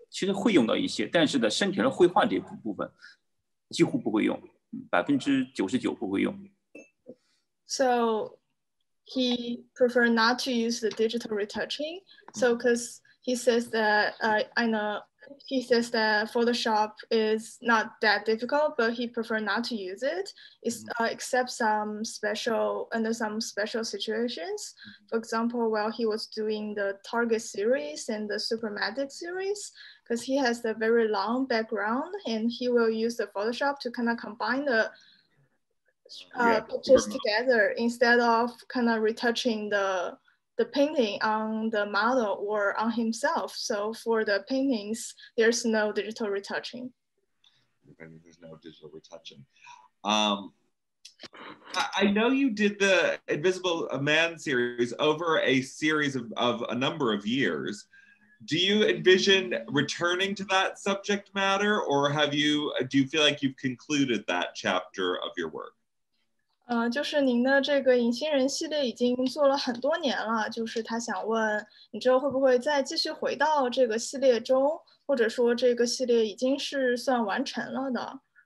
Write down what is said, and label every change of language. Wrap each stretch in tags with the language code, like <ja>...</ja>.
<zh>其实会用到一些，但是在身体上绘画这部分几乎不会用，99%不会用。</zh> <en>So he prefer not to use the digital retouching. So because he says that I know. He says that Photoshop is not that difficult, but he prefers not to use it, except under some special situations. For example, while he was doing the Target series and the Supermatic series, because he has a very long background, and he will use the Photoshop to kind of combine the pictures together instead of kind of retouching the painting on the model or on himself. So for the paintings, there's no digital retouching. There's no digital retouching. I know you did the Invisible Man series over a series of a number of years. Do you envision returning to that subject matter, or do you feel like you've concluded that chapter of your work?</en> <zh>就是您的这个隐形人系列已经做了很多年了，就是他想问你之后会不会再继续回到这个系列中，或者说这个系列已经是算完成了的。</zh>